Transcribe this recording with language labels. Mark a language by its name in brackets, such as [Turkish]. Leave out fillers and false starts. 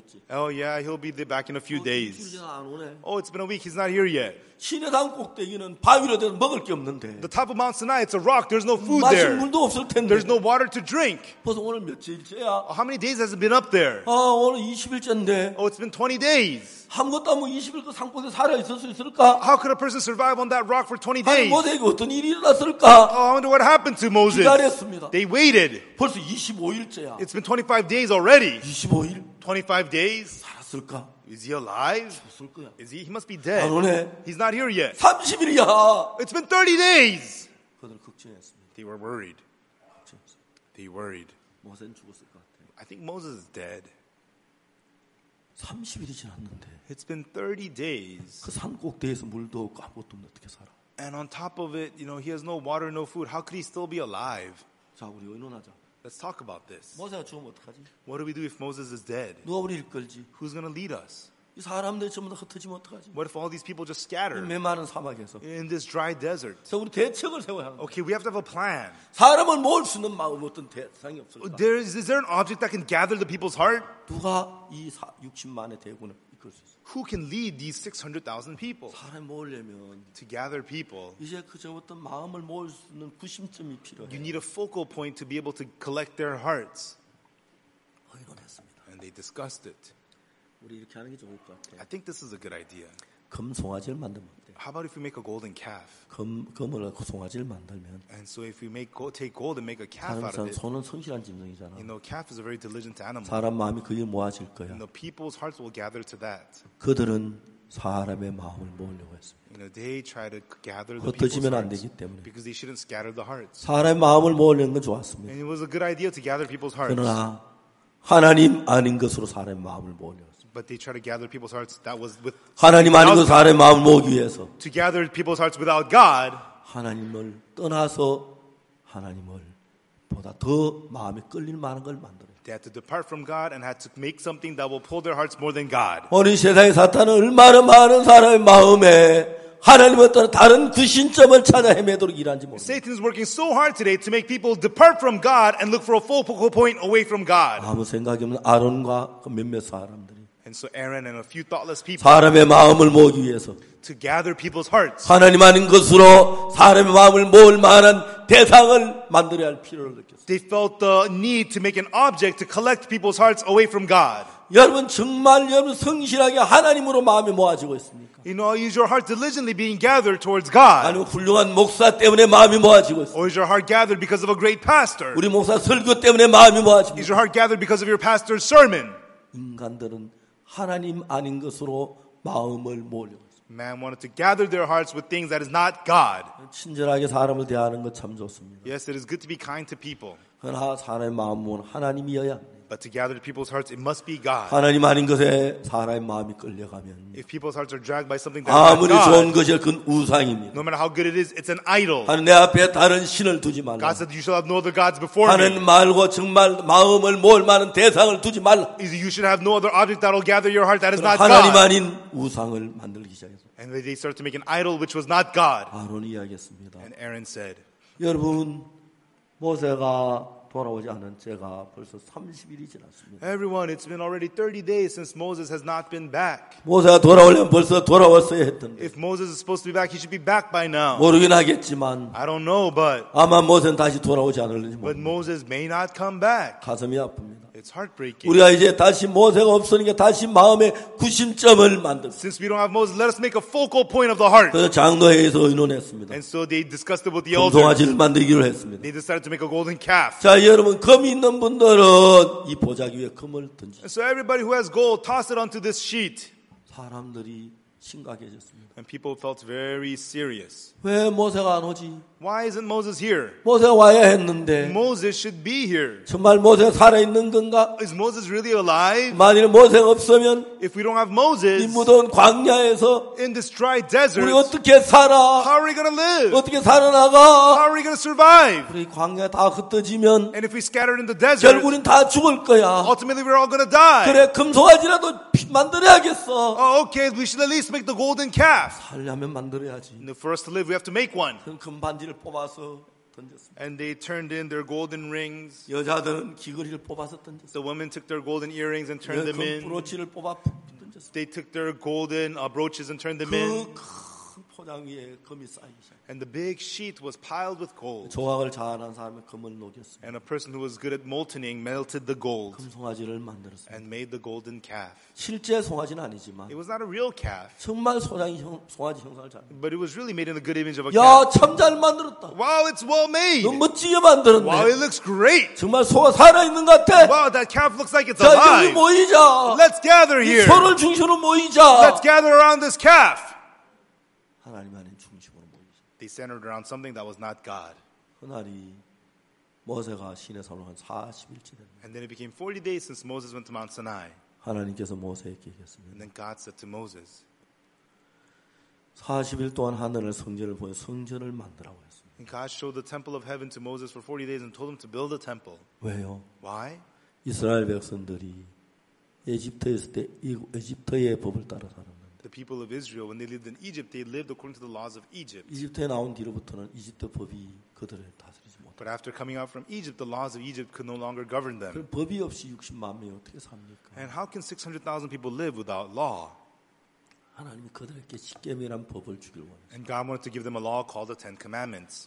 [English] Oh, yeah, he'll be back in a few days. Oh, it's been a week. He's not here yet. The top of Mount Sinai, it's a rock. There's no food there. There's no water to drink. Oh, how many days has it been up there? Oh, it's been 20 days. [Korean] 아무것도 안 먹고 20일 그 산골에 살아 있었을 수 있을까? [English] How could a person survive on that rock for 20 days? [Korean] 아니 모세에게 어떤 일이 일어났을까? [English] Oh, I wonder what happened to Moses. [Korean] 기다렸습니다. [English] They waited. [Korean] 벌써 25일째야. [English] It's been 25 days already. [Korean] 25일? [English] 25 days? [Korean] 살았을까? [English] Is he alive? [Korean] 죽었을 거야. [English] Is he? He must be dead. [Korean] 안 오네. [English] He's not here yet. [Korean] 30일이야. [English] It's been 30 days. [Korean] 그들 걱정했습니다. [English] They were worried. [Korean] 걱정했어. [English] They worried. [Korean] 모세는 죽었을 것 같아. [English] I think Moses is dead. [Korean] 30일이 지났는데 [English] It's been 30 days. [Korean] 그 산꼭대기에서 물도 없고 아무것도 없는데 어떻게 살아? [English] And on top of it, you know, he has no water, no food. How could he still be alive? [Korean] 자, 우리 의논하자. [English] Let's talk about this. [Korean] 모세가 죽으면 어떡하지? [English] What do we do if Moses is dead? [Korean] 누가 우리 이끌지? [English] Who's going to lead us? [Korean] 이 사람들 전부 다 흩어지면 어떡하지? [English] What if all these people just scatter? [Korean] 이 메마른 사막에서. [English] In this dry desert. [Korean] 자, 우리 대책을 세워야 하는 [English] Okay, we have to have a plan. [Korean] 사람을 모을 수 있는 마음 어떤 대상이 없을까? [English] Is there an object that can gather the people's heart? [Korean] 누가 이 60만의 대군을 이끌 수 있어? [English] Who can lead these 600,000 people? [Korean] 사람 모으려면 [English] to gather people. [Korean] 이제 그저부터 마음을 모을 수 있는 구심점이 필요해. [English] You need a focal point to be able to collect their hearts. [Korean] 의논했습니다. [English] And they discussed it. [Korean] 우리 이렇게 하는 게 좋을 것 같아. [English] I think this is a good idea. [Korean] 금 송아지를 만들면 어때? [English] How about if we make a golden calf? [Korean] 금을 송아지를 만들면. [English] And so if we make take gold and make a calf out of it. [Korean] 사람 손은 성실한 짐승이잖아. [English] You know, calf is a very diligent animal. [Korean] 사람 마음이 그에 모아질 거야. [English] And the people's hearts will gather to that. [Korean] 그들은 사람의 마음을 모으려고 했습니다. [English] You know, they try to gather the [Korean] 흩어지면 안 되기 때문에. [English] Because they shouldn't scatter the hearts. [Korean] 사람의 마음을 모으려는 건 좋았습니다. [English] And it was a good idea to gather people's hearts. [Korean] 그러나 하나님 아닌 것으로 사람의 마음을 모으려 [English] But they try to gather people's hearts that was with [Korean] 하나님 아닌 것으로 사람의 마음을 모으기 위해서 [English] To gather people's hearts without God [Korean] 하나님을 떠나서 하나님을 보다 더 마음이 끌릴 만한 걸 만들어요. [English] They had to depart from God and had to make something that will pull their hearts more than God. [Korean] 우리 세상의 사탄은 얼마나 많은 사람의 마음에 하나님을 떠나 다른 그 신점을 찾아 헤매도록 일하는지 모릅니다. [English] Satan is working so hard today to make people depart from God and look for a focal point away from God. [Korean] 아무 생각이 없는 아론과 그 몇몇 사람들이 [English] And so Aaron and a few thoughtless people [Korean] 사람의 마음을 모으기 위해서 [English] to gather people's hearts. [Korean] 하나님 아닌 것으로 사람의 마음을 모을 만한 대상을 만들어야 할 필요를 느꼈어요. [English] They felt the need to make an object to collect people's hearts away from God. [Korean] 여러분 정말 여러분 성실하게 하나님으로 마음이 모아지고 있습니까? [English] You know, is your heart diligently being gathered towards God? [Korean] 아니면 훌륭한 목사 때문에 마음이 모아지고 있어요? [English] Or is your heart gathered because of a great pastor? [Korean] 우리 목사 설교 때문에 마음이 모아지고 [English] Is your heart gathered because of your pastor's sermon? [Korean] 인간들은 하나님 아닌 것으로 마음을 모으려 [English] Man wanted to gather their hearts with things that is not God. [Korean] 친절하게 사람을 대하는 것 참 좋습니다. [English] Yes, it is good to be kind to people. [Korean] 그러나 사람의 마음은 하나님이어야. [English] But to gather people's hearts, it must be God. [Korean] 하나님 아닌 것에 사람의 마음이 끌려가면. [English] If people's hearts are dragged by something that is not God. [Korean] 아무리 좋은 것이야, 그건 우상입니다. [English] No matter how good it is, it's an idol. [Korean] 하나님 내 앞에 다른 신을 두지 말라. [English] God said you should have no other gods before me. [Korean] 하나님 말고 정말 마음을 모을 만한 대상을 두지 말라. [English] Is you should have no other object that will gather your heart that is not God. [Korean] 하나님 아닌 우상을 만들기 시작했어. [English] And they started to make an idol which was not God. [Korean] 아론이 이야기했습니다. [English] And Aaron said, [Korean] 여러분 모세가 돌아오지 않은 제가 벌써 30일이 지났습니다. [English] Everyone, it's been already 30 days since Moses has not been back. [Korean] 모세가 돌아오려면 벌써 돌아왔어야 했던데. [English] If Moses is supposed to be back, he should be back by now. [Korean] 모르긴 하겠지만. [English] I don't know, but. [Korean] 아마 모세는 다시 돌아오지 않을지 모르겠다. [English] But Moses may not come back. [Korean] 가슴이 아픕니다. [English] It's heartbreaking. [Korean] 우리가 이제 다시 모세가 없으니까 다시 마음의 구심점을 만들. [English] Since we don't have Moses, let us make a focal point of the heart. [Korean] 그래서 장로회에서 의논했습니다. [English] And so they discussed it with the elders. [Korean] 동아지를 만들기로 했습니다. [English] They decided to make a golden calf. [Korean] 자, 여러분 금 있는 분들은 이 보자기 위에 금을 던지세요. [English] So everybody who has gold, toss it onto this sheet. [Korean] 사람들이 심각해졌습니다. [English] And people felt very serious. [Korean] 왜 모세가 안 오지? [English] Why isn't Moses here? [Korean] 모세가 와야 했는데. [English] Moses should be here. [Korean] 정말 모세가 살아 있는 건가? [English] Is Moses really alive? [Korean] 만일 모세가 없으면 [English] If we don't have Moses, [Korean] 이 무더운 광야에서 [English] in this dry desert, [Korean] 우리 어떻게 살아? [English] How are we gonna live? [Korean] 어떻게 살아나가? [English] How are we gonna survive? [Korean] 우리 광야 다 흩어지면 [English] And if we scatter in the desert, [Korean] 결국 우린 다 죽을 거야. [English] Ultimately we're all gonna die. [Korean] 그래 금송아지라도 만들어야겠어. [English] Oh, okay, we should at least make the golden calf. [Korean] 살려면 만들어야지. [English] And for us to live, we have to make one. [Korean] 금반지를 뽑아서 던졌습니다. [English] And they turned in their golden rings. [Korean] 여자들은 귀걸이를 뽑아서 던졌습니다. [English] The women took their golden earrings and turned them in. [Korean] 브로치를 뽑아 던졌습니다. [English] They took their golden brooches and turned them in. [Korean] 큰 포장 위에 금이 쌓이기 시작했습니다. [English] And the big sheet was piled with gold. [Korean] 조각을 잘하는 사람이 금을 녹였습니다. [English] And a person who was good at molting melted the gold. [Korean] 금송아지를 만들었습니다. [English] And made the golden calf. [Korean] 실제 송아지는 아니지만 [English] It was not a real calf. [Korean] 정말 소장이 형, 송아지 형상을 잘 [English] But it was really made in the good image of a calf. [Korean] 야, 참 잘 만들었다. [English] Wow, it's well made. [Korean] 너무 멋지게 만들었네. [English] Wow, it looks great. [Korean] 정말 소가 살아 있는 것 같아. [English] Wow, that calf looks like it's [Korean] 자, [English] alive. [Korean] 자, 여기 모이자. [English] Let's gather here. [Korean] 이 소를 중심으로 모이자. [English] Let's gather around this calf. [Korean] 하나님 아닌 중심으로 모이자. [English] They centered around something that was not God. [Korean] 그날이 모세가 시내산으로 한 40일째 됩니다. [English] And then it became 40 days since Moses went to Mount Sinai. [Korean] 하나님께서 모세에게 얘기했습니다. [English] Then God said to Moses, [Korean] 40일 동안 하늘을 성전을 보여 성전을 만들라고 했습니다. [English] And God showed the temple of heaven to Moses for 40 days and told him to build a temple. [Korean] 왜요? [English] Why? [Korean] 이스라엘 백성들이 이집트에서 때 이집트의 법을 따라 살았는데. [English] The people of Israel when they lived in Egypt, they lived according to the laws of Egypt. [Korean] 이집트에 나온 뒤로부터는 이집트 법이 그들을 다스리지 못. [English] But after coming out from Egypt, the laws of Egypt could no longer govern them. [Korean] 그 법이 없이 60만 명이 어떻게 삽니까? [English] And how can 600,000 people live without law? [Korean] 하나님이 그들에게 십계명이라는 법을 주길 원했어요. [English] And God wanted to give them a law called the Ten Commandments.